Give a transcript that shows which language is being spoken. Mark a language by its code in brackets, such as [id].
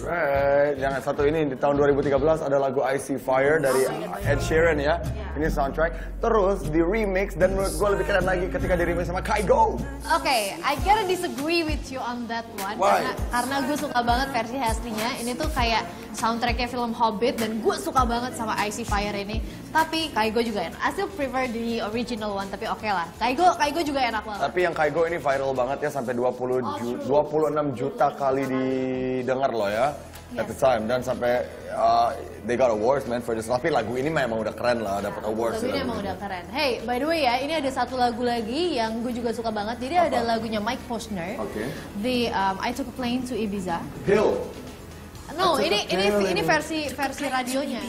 [id] Right, yang satu ini di tahun 2013 ada lagu I See Fire dari Ed Sheeran ya. Yeah. Ini soundtrack, terus di remix dan menurut gue lebih keren lagi ketika di remix sama Kygo. [en] Oke, okay, I gotta disagree with you on that one. Why? [id] Karena gue suka banget versi aslinya, ini tuh kayak soundtracknya film Hobbit dan gue suka banget sama I See Fire ini. Tapi Kygo juga enak. [en] I still prefer the original one, [id] tapi oke lah. Kygo juga enak banget. Tapi yang Kygo ini viral banget ya, sampai 26 juta kali didengar loh ya. [en] Yes. At the time. [id] Dan sampai [en] they got awards, man, for this. [id] Tapi lagu ini memang udah keren lah, dapat awards. Lagu ini memang udah keren. [en] Hey, by the way [id] ya, ini ada satu lagu lagi yang gue juga suka banget. Jadi apa? Ada lagunya Mike Posner. [en] Okay. The I Took a Plane to Ibiza. Pill. [id] No, ini versi radionya.